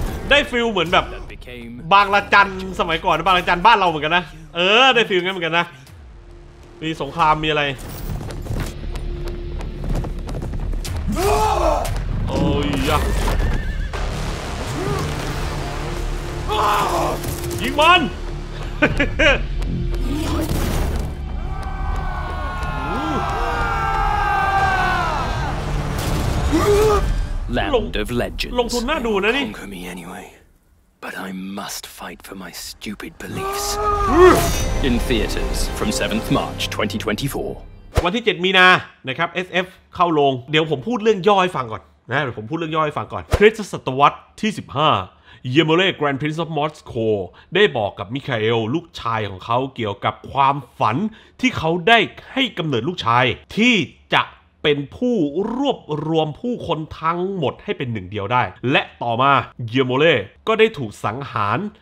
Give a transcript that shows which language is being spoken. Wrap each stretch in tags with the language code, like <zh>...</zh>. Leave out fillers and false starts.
<th>ได้ฟิลเหมือนแบบบางระจันสมัยก่อนบางระจันบ้านเราเหมือนกันนะได้ฟิลงั้นเหมือนกันนะมีสงครามมีอะไรโอ้ยยิงมันLand of Legends. ลงทุนน่าดูนะนี่</th> <en>Conquer me anyway, but I must fight for my stupid beliefs. In theaters from 7th March 2024.</en> <th>วันที่7มีนานะครับ SF เข้าลงเดี๋ยวผมพูดเรื่องย่อให้ฟังก่อนนะเดี๋ยวผมพูดเรื่องย่อให้ฟังก่อนคริสต์ศตวรรษที่15เยเมเล่แกรนด์พรินซ์ออฟมอสโกได้บอกกับมิคาเอลลูกชายของเขาเกี่ยวกับความฝันที่เขาได้ให้กำเนิดลูกชายที่จะเป็นผู้รวบรวมผู้คนทั้งหมดให้เป็นหนึ่งเดียวได้และต่อมาเยโมเล่ก็ได้ถูกสังหาร</th>